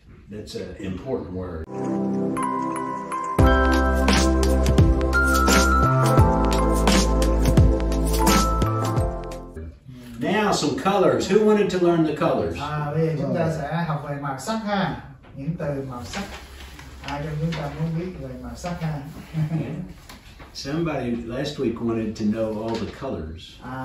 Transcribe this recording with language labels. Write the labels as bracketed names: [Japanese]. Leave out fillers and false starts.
[English] That's an important word. Now some colors. Who wanted to learn the colors? [Vietnamese] Bây giờ chúng ta sẽ học về màu sắc ha. Những từ màu sắc. Ai trong chúng ta muốn biết về màu sắc ha? [English] Somebody last week wanted to know all the colors.